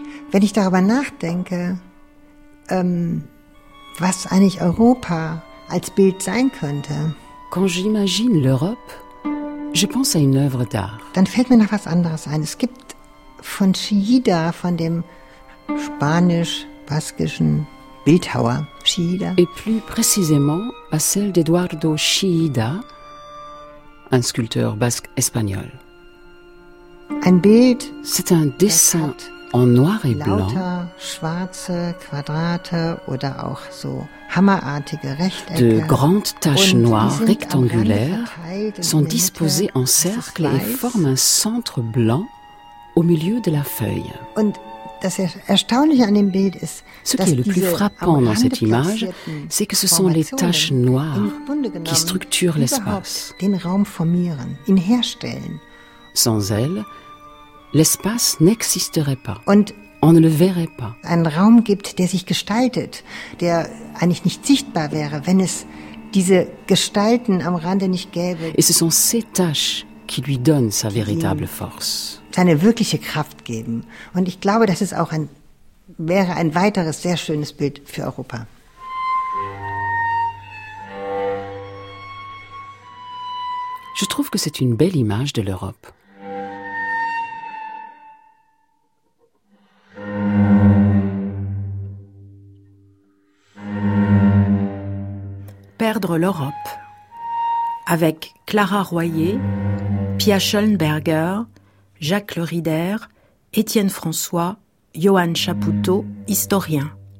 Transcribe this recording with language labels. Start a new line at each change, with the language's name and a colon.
German: Wenn ich darüber nachdenke, was eigentlich Europa als Bild sein könnte.
French: Quand j'imagine l'Europe, je pense à une œuvre d'art.
German: Dann fällt mir noch was anderes ein. Es gibt von Chillida, von dem spanisch-baskischen Bildhauer Chillida.
French: Et plus précisément à celle d'Eduardo Chillida, un sculpteur basque espagnol.
German: Ein Bild,
French: c'est un dessin en noir et blanc,
German: lauter schwarze Quadrate oder auch so hammerartige Rechtecke,
French: de grandes taches noires rectangulaires sont disposées en cercle et forment un centre blanc au milieu de la feuille.
German: Und das Erstaunliche an dem Bild ist,
French: ce qui est le plus frappant dans cette image, c'est que ce sont les taches noires qui structurent l'espace.
German: Den Raum formieren, ihn herstellen.
French: Sans elles, l'espace n'existerait pas. On ne le verrait pas.
German: Ein Raum gibt, der sich gestaltet, der eigentlich nicht sichtbar wäre, wenn es diese Gestalten am Rande nicht gäbe.
French: Et ce sont ces taches qui lui donnent sa véritable force.
German: Seine wirkliche Kraft geben. Und ich glaube, das ist auch wäre ein weiteres sehr schönes Bild für Europa.
French: Je trouve que c'est une belle image de l'Europe. Perdre l'Europe avec Clara Royer, Pia Schöllenberger, Jacques Le Rider, Étienne François, Johann Chapoutot, historien.